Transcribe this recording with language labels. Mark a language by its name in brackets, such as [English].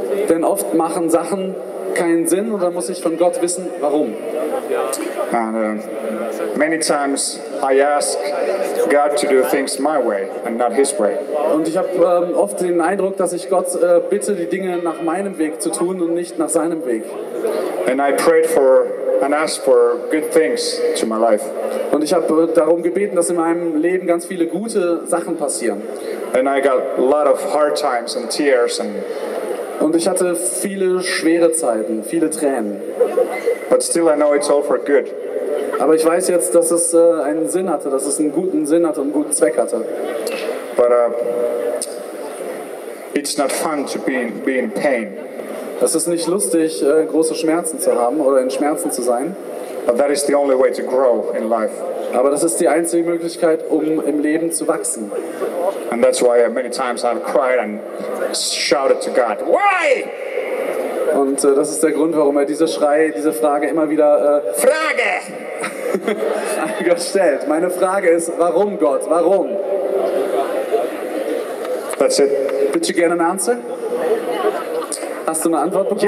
[German] Denn oft machen Sachen keinen Sinn und dann muss ich von Gott wissen, warum. [English] And, many times I ask God to do things my way and not his way. [German] Und ich habe oft den Eindruck, dass ich Gott bitte, die Dinge nach meinem Weg zu tun und nicht nach seinem Weg. [English] And I prayed for and asked for good things to my life. [German] Und ich habe darum gebeten, dass in meinem Leben ganz viele gute Sachen passieren. [English] And I got a lot of hard times and tears and [German] und ich hatte viele schwere Zeiten, viele Tränen. [English] But still I know it's all for good. [German] Aber ich weiß jetzt, dass es einen Sinn hatte, dass es einen guten Sinn hatte und einen guten Zweck hatte. [English] But it's not fun to be in pain. [German] Es ist nicht lustig, große Schmerzen zu haben oder in Schmerzen zu sein. [English] But that is the only way to grow in life. [German] Aber das ist die einzige Möglichkeit, um im Leben zu wachsen. [English] And that's why many times I've cried and shouted to God, why? [German] Und das ist der Grund, warum er diese diese Frage immer wieder Frage an Gott stellt. Meine Frage ist, warum Gott, warum? [English] That's it. [German] Bitte you gerne an answer? Hast du eine Antwort bekommen?